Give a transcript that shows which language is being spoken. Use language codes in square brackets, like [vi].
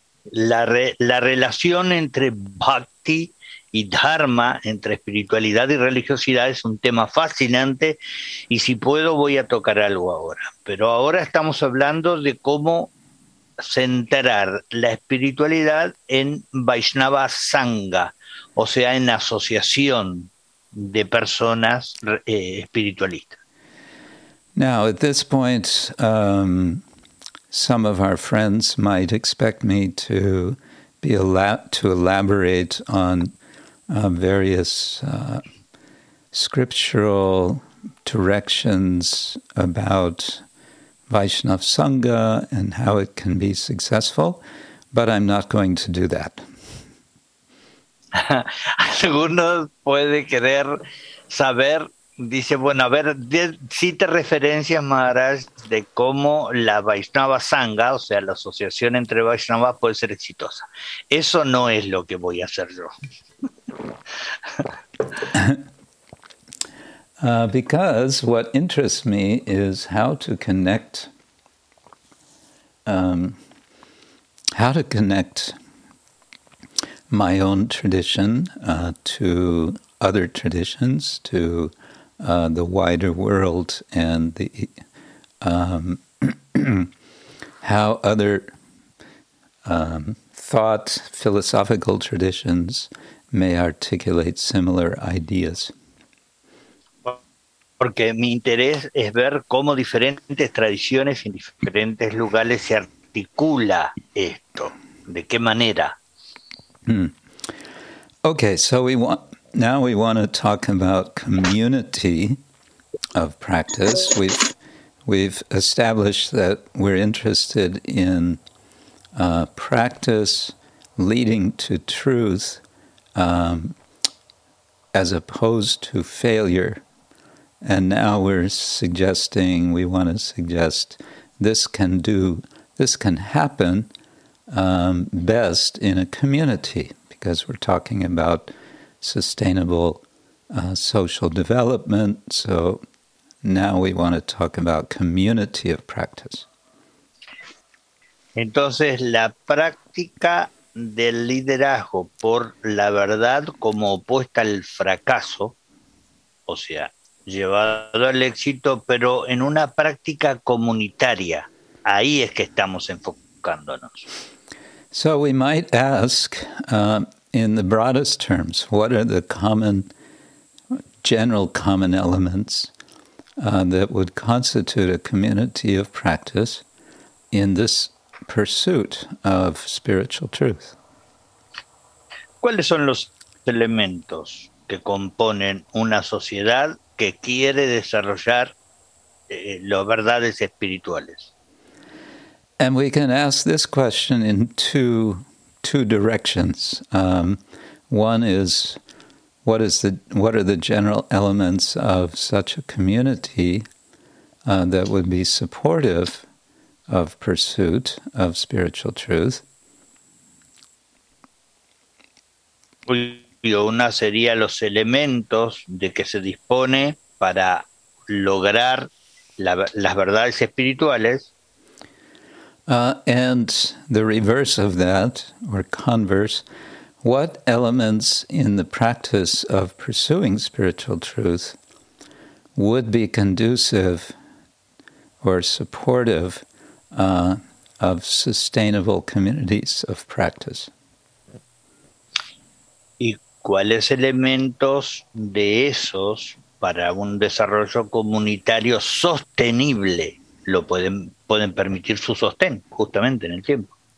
[es] La relación entre bhakti y dharma, entre espiritualidad y religiosidad, es un tema fascinante, y si puedo voy a tocar algo ahora. Pero ahora estamos hablando de cómo centrar la espiritualidad en Vaishnava Sangha, o sea, en asociación de personas espiritualistas. [en] Now, at this point, some of our friends might expect me to be to elaborate on various scriptural directions about Vaishnav Sangha and how it can be successful, but I'm not going to do that. [es] Algunos puede querer saber. Dice, bueno, a ver, cita referencias, Maharaj, de cómo la Vaishnava Sangha, o sea, la asociación entre Vaishnavas, puede ser exitosa. Eso no es lo que voy a hacer yo. [en] Because what interests me is how to connect, my own tradition to other traditions, to the wider world, and the how other thought philosophical traditions may articulate similar ideas. [es] Porque mi interés es ver cómo diferentes tradiciones en diferentes lugares se articula esto, de qué manera. [en] Okay, so now we want to talk about community of practice. We've established that we're interested in practice leading to truth as opposed to failure. And now we're suggesting, we want to suggest this can happen best in a community, because we're talking about sustainable social development. So now we want to talk about community of practice. [es] Entonces, la práctica del liderazgo por la verdad como opuesta al fracaso, o sea, llevado al éxito, pero en una práctica comunitaria. Ahí es que estamos enfocándonos. [en] So we might ask, in the broadest terms, what are the general elements that would constitute a community of practice in this pursuit of spiritual truth? [es] ¿Cuáles son los elementos que componen una sociedad que quiere desarrollar las verdades espirituales? [en] And we can ask this question in two directions. One is, what are the general elements of such a community that would be supportive of pursuit of spiritual truth? [es] estudio, una sería los elementos de que se dispone para lograr las verdades espirituales. [en] And the reverse of that, or converse, what elements in the practice of pursuing spiritual truth would be conducive or supportive of sustainable communities of practice? [es] ¿Y cuáles elementos de esos para un desarrollo comunitario sostenible lo pueden permitir su sostén, justamente en el tiempo?